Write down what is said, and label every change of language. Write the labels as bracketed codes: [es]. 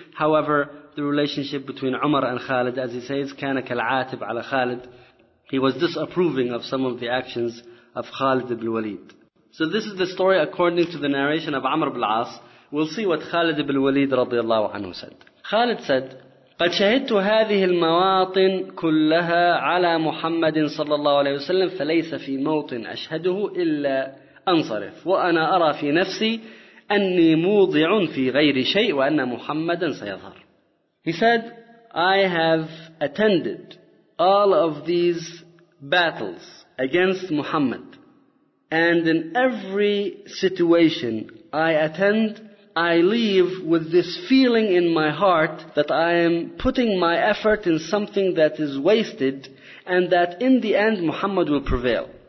[en] However, the relationship between Umar and Khalid, as he says, [ar] كَانَ كَالْعَاتِبْ عَلَى [en] Khalid. He was disapproving of some of the actions of Khalid bin Walid. So this is the story according to the narration of Amr bin al-As. We'll see what Khalid bin Walid radiallahu anhu said. Khalid said, [ar] قد شهدت هذه المواطن كلها على محمد صلى الله عليه وسلم فليس في موطن أشهده إلا أنصرف وأنا أرى في نفسي أني موضع في غير شيء وأن محمدا سيظهر. [en] He said, I have attended all of these battles against Muhammad, and in every situation I attend, I leave with this feeling in my heart that I am putting my effort in something that is wasted, and that in the end Muhammad will prevail.